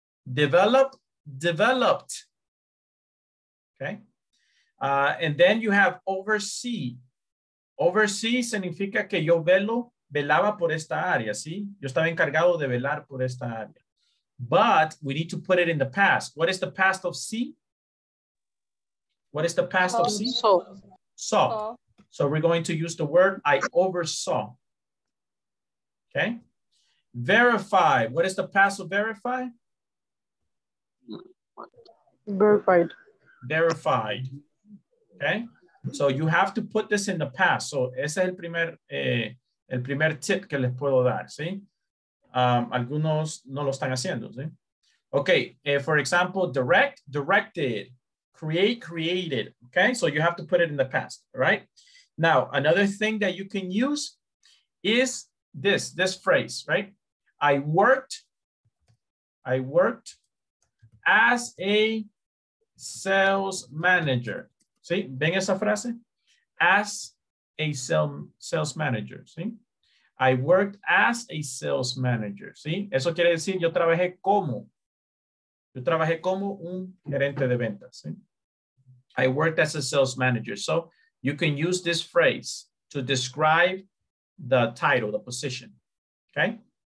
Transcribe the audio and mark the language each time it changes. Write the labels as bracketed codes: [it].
[en] Develop, developed. Okay. And then you have oversee. [es] Oversee significa que yo velaba por esta área, ¿sí? Yo estaba encargado de velar por esta área. [en] But we need to put it in the past. What is the past of see? What is the past of see? Saw. So we're going to use the word I oversaw. Okay. Verify. What is the past of verify? Verified. Verified. Okay. So you have to put this in the past. [es] So ese es el primer tip que les puedo dar, ¿sí? Algunos no lo están haciendo, ¿sí? [en] Okay, for example, direct, directed, create, created, okay? So you have to put it in the past, right? Now, another thing that you can use is this phrase, right? I worked as a sales manager, ¿sí? [es] ¿Ven esa frase? [en] As a sales manager, ¿sí? I worked as a sales manager, ¿sí? [es] Eso quiere decir yo trabajé como un gerente de ventas, ¿sí? [en] I worked as a sales manager. So you can use this phrase to describe the title, the position, okay?